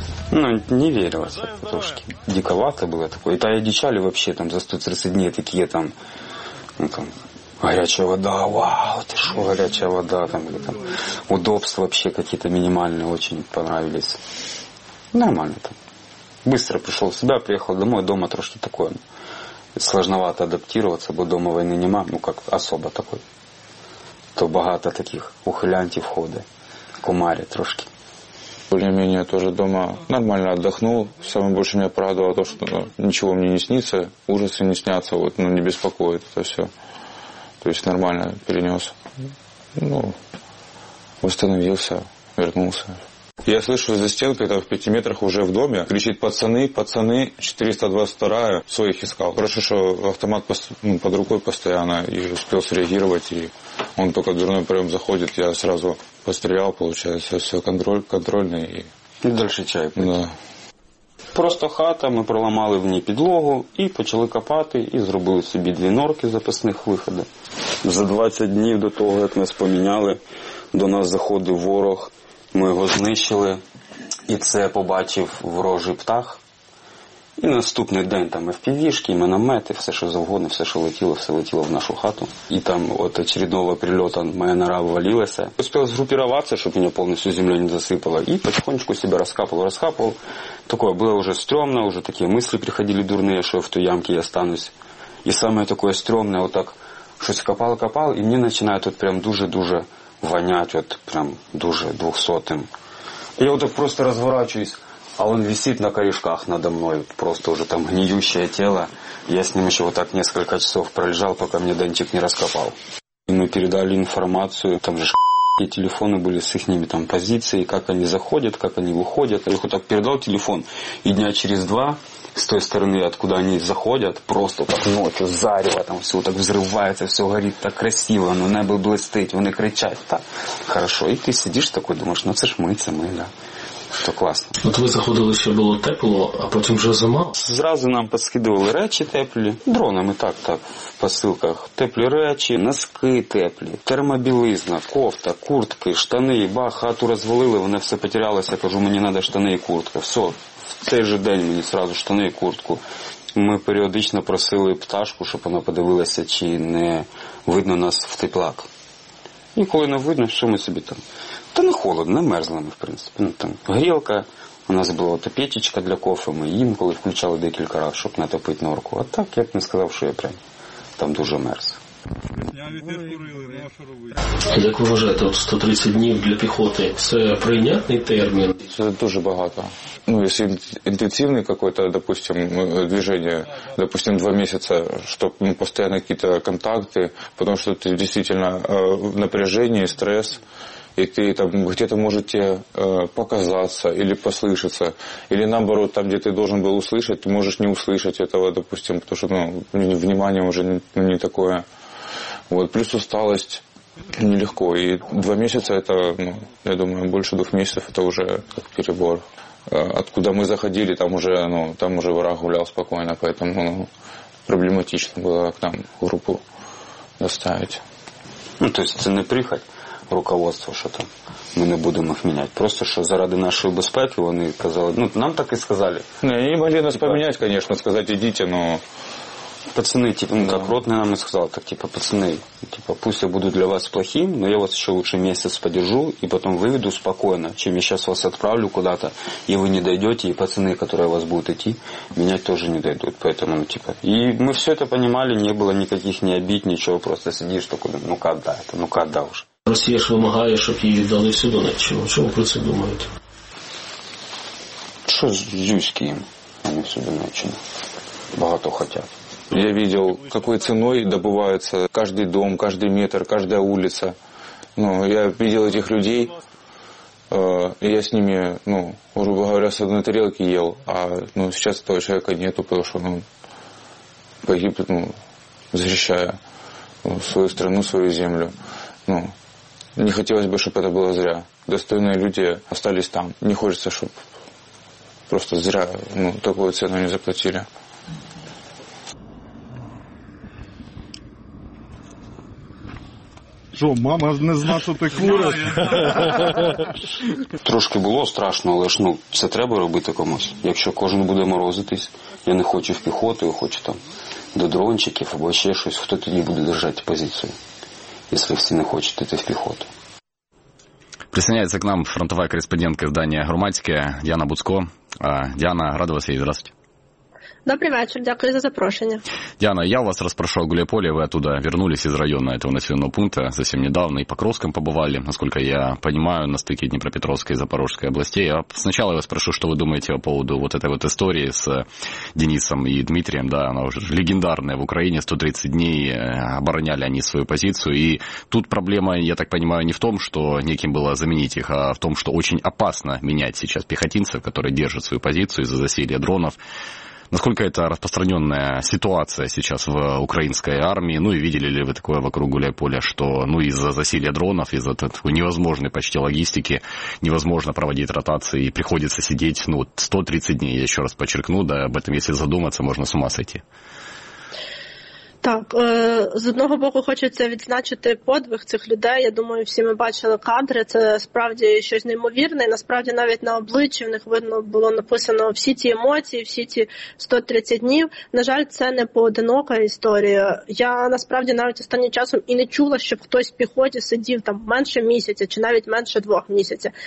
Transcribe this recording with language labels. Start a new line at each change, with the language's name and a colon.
Russian: Ну, не верилось, потому диковато было такое. И та одичали вообще там за 130 дней такие там, ну там, горячая вода, вау, ты шо, горячая вода, там, или там, удобства вообще какие-то минимальные очень понравились. Нормально там. Быстро пришел в себя, приехал домой, дома трошки такое. Ну, сложновато адаптироваться, бо дома войны нема, ну как особо такой.
Ukrainian: То багато таких ухилянтів ходи, кумари трошки.
Russian: Более-менее тоже дома нормально отдохнул. Самое больше меня порадовало то, что ничего мне не снится, ужасы не снятся, вот, ну, не беспокоит это все. То есть нормально перенес. Ну, восстановился, вернулся. Я слышу за стенкой, там в 5 метрах уже в доме, кричит «пацаны, пацаны, 422-я, своих искал». Хорошо, что автомат под рукой постоянно, и успел среагировать, и он только дверной проем заходит, я сразу пострелял, получается, все контрольный. И дальше чай пить. Да.
Ukrainian: Просто хата, мы проломали в ней підлогу і почали копати, і зробили собі 2 норки запасних виходів. За 20 днів до того, як нас поміняли, до нас заходив ворог. Ми його знищили, і це побачив ворожий птах. І наступний день там FPV-шки, міномети, все, що завгодно, все, що летіло в нашу хату. І там от очередного прильоту моя нора ввалилася. Успів згрупіруватися, щоб мене повністю землю не засипало. І потихонечку себе розкапував. Таке було вже стрьомно, вже такі мислі приходили дурні, що в ту ямку я станусь. І саме таке стрьомне, отак щось копав, і мені починає тут прям дуже-дуже вонять, от прям дуже 200-м. Я отак просто розворачуюсь, а він висить на корешках надо мною, просто вже там гниюще тіло. Я з ним ще отак кілька годин пролежав, поки мені денчик не розкопав. Ми передали інформацію, там же
Russian: какие телефоны были с их там позицией, как они заходят, как они выходят. Я их вот так передал телефон, и дня через два с той стороны, откуда они заходят, просто так ночью зарево, там все так взрывается, все горит так красиво, но небо блестит,
Ukrainian: вони кричать,
Russian: так хорошо. И ты сидишь такой, думаешь,
Ukrainian: ну це ж ми,
Russian: да.
Ukrainian: Це класно. От ви заходили, ще було тепло, а потім вже зима. Зразу нам поскидували речі теплі, дронами так, в посилках. Теплі речі, носки теплі, термобілизна, кофта, куртки, штани, бах, хату розвалили, вони все потерялися, кажу, мені треба штани і куртка. Все, в цей же день мені зразу штани і куртку. Ми періодично просили пташку, щоб вона подивилася, чи не видно нас в теплак. І коли не видно, що ми собі там... Та не холодно, не мерзло ми, в принципі. Ну, там грілка, у нас була то печечка для кофе, ми її коли включали декілька разів, щоб натопити норку. А так, я б не сказав, що я прям там дуже мерз. Як ви вважаєте, от 130 днів для піхоти, це прийнятний термін? Це дуже багато. Ну, якщо інтенсивний якийсь, допустимо, движення, допустимо, 2 місяці, щоб постійно якісь контакти, тому що це дійсно напряження і стрес.
Russian: И ты там где-то может тебе показаться или послышаться. Или наоборот, там, где ты должен был услышать, ты можешь не услышать этого, допустим, потому что ну, внимание уже не такое. Вот. Плюс усталость нелегко. И 2 месяца это, ну, я думаю, больше 2 месяцев это уже как перебор. Откуда мы заходили, там уже, ну, там уже враг гулял спокойно, поэтому ну, проблематично было к нам группу доставить. Ну, то есть это не прихоть.
Ukrainian: Руководство, що там ми не будемо їх міняти. Просто що заради нашої безпеки вони казали, ну нам так і сказали. Не, вони могли нас поміняти, звісно, сказати, ідіть, но. Пацани, типу, ну, так ротний нам і сказав, так, типу, пацани, типу,
Russian: пусть я буду для вас плохим,
Ukrainian: но я вас ще лучше місяць подержу і потім виведу спокійно, чим я зараз вас відправлю куди-то, і ви не дійдете, і пацани, які вас будуть йти, міняти теж не дійдуть. Поэтому, ну, типу, і ми все це понимали, не було ніяких ні обід, нічого, просто сидиш такий,
Russian: ну когда это, ну когда уже.
Ukrainian: Росія ж вимагає, щоб її віддали всю Донеччину. Чому про це думаєте? Що з Юськієм, а не всю Донеччину? Багато хочуть. Я бачив, якою ціною добувається кожен дім, кожен метр, кожна вулиця. Ну, я бачив цих людей, і я з ними, ну,
Russian: грубо говоря,
Ukrainian: з одної тарілки їв, а ну, зараз цього чоловіка нету, тому що він погиб, ну, захищає свою країну, свою землю.
Russian: Ну, не хотелось бы, чтобы это было зря. Достойные люди остались там. Не хочется, чтобы просто зря, ну, такую цену не заплатили. Что, мама не знает, что ты куришь? Трошки было страшно, но ну,
Ukrainian: это треба робити комусь. Якщо кожен буде морозитись, я не хочу в піхоту, я хочу там до дрончиків або ще щось, хто тоді буде держати позицію, якщо всі не хочуть йти в піхоту.
Russian: Присоединяется к нам фронтовая корреспондентка издания «Громадське» Диана Буцко. Диана, рада вас видеть. Здравствуйте. Добрый вечер.
Ukrainian: Дякую за запрошение.
Russian: Диана, я вас расспрашиваю о Гуляйполе. Вы оттуда вернулись из района этого населенного пункта совсем недавно и по Кроскам побывали, насколько я понимаю, на стыке Днепропетровской и Запорожской областей. Я сначала вас спрошу, что вы думаете по поводу вот этой вот истории с Денисом и Дмитрием. Да, она уже легендарная в Украине. 130 дней обороняли они свою позицию. И тут проблема, я так понимаю, не в том, что неким было заменить их, а в том, что очень опасно менять сейчас пехотинцев, которые держат свою позицию из-за засилья дронов. Насколько это распространенная ситуация сейчас в украинской армии? Ну и видели ли вы такое вокруг Гуляйполя, что ну, из-за засилья дронов, из-за такой невозможной почти логистики, невозможно проводить ротации и приходится сидеть ну, 130 дней, я еще раз подчеркну, да, об этом если задуматься, можно с ума сойти.
Ukrainian: Так, з одного боку хочеться відзначити подвиг цих людей. Я думаю, всі ми бачили кадри, це справді щось неймовірне. І насправді навіть на обличчі в них видно було написано всі ті емоції, всі ті 130 днів. На жаль, це не поодинока історія. Я насправді навіть останнім часом і не чула, щоб хтось в піхоті сидів там менше місяця чи навіть менше 2 місяців.